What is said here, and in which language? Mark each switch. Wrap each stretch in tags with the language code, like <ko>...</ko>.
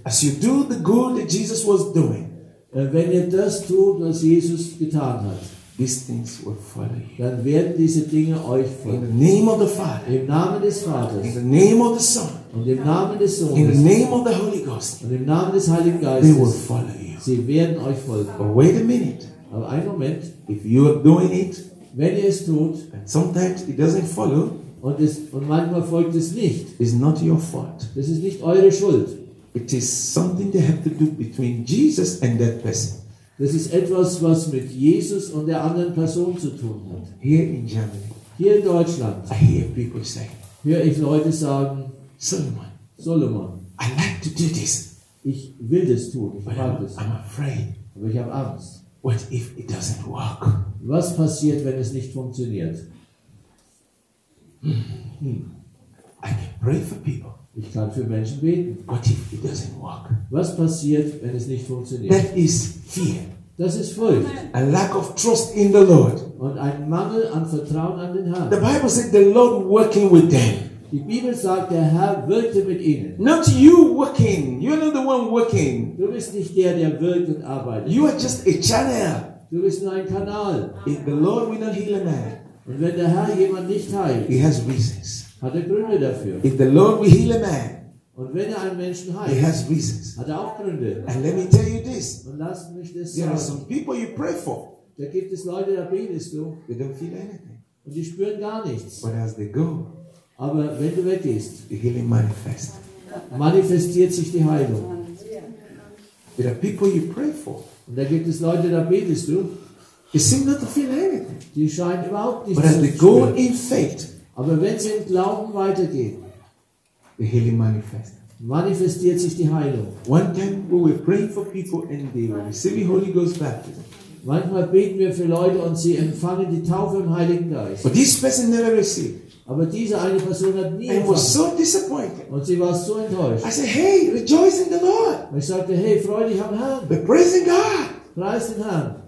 <en>as you do the good that Jesus was doing,</en> <de>wenn ihr das tut, was Jesus getan hat,</de> <en>these things will follow you.</en> <de>Dann werden diese Dinge euch folgen.</de> <en>In the name of the Father.</en> <de>Im Namen des Vaters.</de> <en>In the name of the Son.</en> <de>Und im Namen des Sohnes.</de> <en>In the name of the Holy Ghost.</en> <de>Und im Namen des Heiligen Geistes.</de> <en>They will follow you.</en> <de>Sie werden euch folgen.</de> <en>But wait a minute.</en> <de>Aber einen Moment.</de> <en>If you are doing it,</en> <de>wenn ihr es tut,</de> <en>and sometimes it doesn't follow,</en> <de>und manchmal folgt es nicht,</de> <en>it's not your fault.</en> <de>Das ist nicht eure Schuld.</de> <en>It is something they have to do between Jesus and that person.</en> <de>Das ist etwas, was mit Jesus und der anderen Person zu tun hat.</de> <en>Here in Germany,</en> <de>hier in Deutschland,</de> <en>I hear people say,</en> <de>höre ich Leute sagen,</de> <en>Solomon, I like to do this.</en> <de>Ich will das tun, ich mag das.</de> <en>I'm afraid.</en> <de>Aber ich habe Angst.</de> <en>What if it doesn't work?</en> <de>Was passiert, wenn es nicht funktioniert?</de> <en>I can pray for people.</en> <de>Ich kann für Menschen beten.</de> <en>What if it doesn't work?</en> <de>Was passiert, wenn es nicht funktioniert?</de> <en>That is fear.</en> <de>Das ist Furcht.</de> <en>A lack of trust in the Lord.</en> <de>Und ein Mangel an Vertrauen an den Herrn.</de> <en>The Bible said the Lord working with them.</en> <de>Die Bibel sagt, der Herr wirkte mit ihnen.</de> <en>Not you working. You're not the one working.</en> <de>Du bist nicht der, der wirkt und arbeitet.</de> <en>You are just a channel.</en> <de>Du bist nur ein Kanal.</de> <en>If the Lord will not heal a man.</en> <de>Und wenn der Herr jemand nicht heilt,</de> <en>he has reasons.</en> <de>Hat er Gründe dafür.</de> <en>If the Lord will heal a man,</en> <de>und wenn er einen Menschen heilt,</de> <en>he has reasons.</en> <de>Hat er auch Gründe.</de> <en>And let me tell you this.</en> <de>Und lass mich das</de> <en>there</en> <de>sagen.</de> <en>Are some people you pray for.</en> <de>Da gibt es Leute, da betest du.</de> <en>They don't feel anything.</en> <de>Und die spüren gar nichts.</de> <en>But as they go,</en> <de>Aber wenn du weggehst,</de> <en>healing manifest.</en> <de>Manifestiert sich die Heilung.</de> <en>There are people you pray for.</en> <de>Und da gibt es Leute, da betest du.</de> <en>They seem not to feel anything.</en> <de>Die scheinen überhaupt nicht</de> <en>But</en> <de>zu</de> <en>as they go in faith,</en> <de>aber wenn sie im Glauben weitergehen,</de> <en>the healing manifest.</en> <de>Manifestiert sich die Heilung.</de> <en>One time we were praying for people and they were receiving Holy Ghost baptism.</en> <de>Manchmal beten wir für Leute und sie empfangen die Taufe im Heiligen Geist.</de> <en>But this person never received.</en> <de>Aber diese eine Person hat nie</de> <en>empfangen. Was so disappointed.</en> <de>Und sie war so enttäuscht.</de> <en>I said, hey, rejoice in the Lord.</en> <de>Und ich sagte, hey, freu dich am Herrn.</de> <en>But praise God.</en> <de>Preist den Herrn.</de>